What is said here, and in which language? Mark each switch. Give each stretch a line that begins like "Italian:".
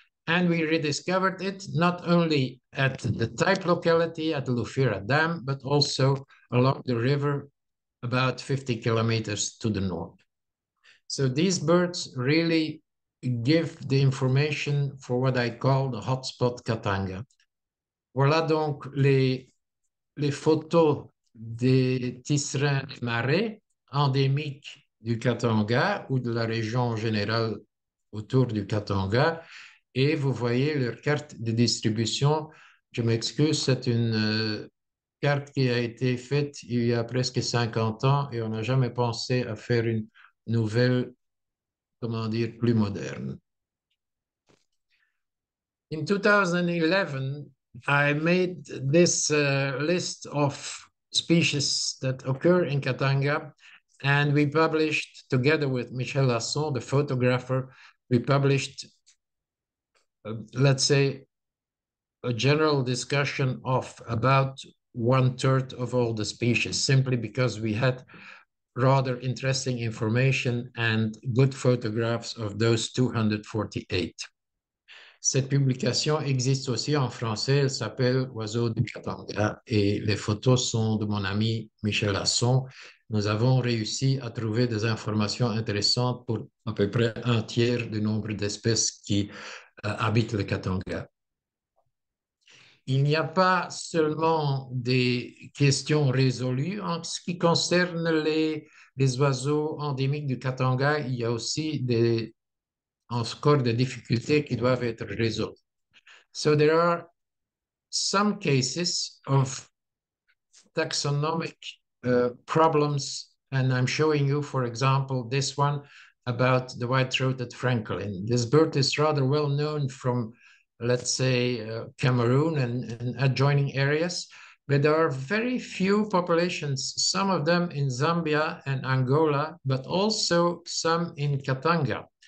English: And we rediscovered it not only at the type locality at Lufira Dam, but also along the river about 50 kilometers to the north. So these birds really give the information for what I call the hotspot Katanga.
French: Voilà donc les photos des tisserins de marais endémiques du Katanga ou de la région générale autour du Katanga. Et vous voyez leur carte de distribution. Je m'excuse, c'est une carte qui a été faite il y a presque 50 ans et on n'a jamais pensé à faire une nouvelle, comment dire, plus moderne.
English: In 2011, I made this list of species that occur in Katanga and we published, together with Michel Lasson, the photographer, we published let's say, a general discussion of about one-third of all the species, simply because we had rather interesting information and good photographs of those 248.
French: Cette publication existe aussi en français, elle s'appelle Oiseaux du Katanga, et les photos sont de mon ami Michel Lasson. Nous avons réussi à trouver des informations intéressantes pour à peu près un tiers du nombre d'espèces qui habite le Katanga. Il n'y a pas seulement des questions résolues en ce qui concerne les oiseaux endémiques du Katanga, il y a aussi encore des difficultés qui doivent être résolues.
English: So there are some cases of taxonomic problems, and I'm showing you, for example, this one, about the white-throated Franklin. This bird is rather well known from, let's say, Cameroon and adjoining areas, but there are very few populations, some of them in Zambia and Angola, but also some in Katanga.